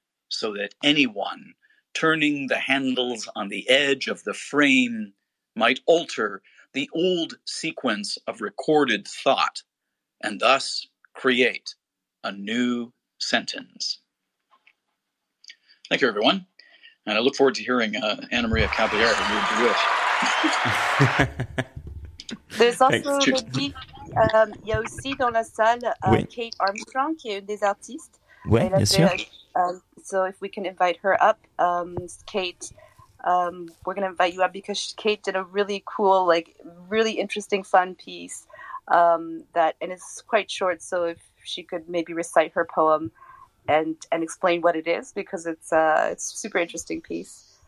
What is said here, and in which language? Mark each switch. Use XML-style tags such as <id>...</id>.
<en>so that anyone turning the handles on the edge of the frame might alter the old sequence of recorded thought and thus create a new sentence. Thank you, everyone. And I look forward to hearing Anna Maria Caballero read the wish. There's also</en> <fr>Yossi dans la salle, Kate Armstrong, qui est une des artistes. Oui, bien sûr.</fr> <en>So if we can invite her up, Kate, we're going to invite you up because Kate did a really cool, like really interesting, fun piece and it's quite short. So if she could maybe recite her poem and explain what it is, because it's a super interesting piece.</en>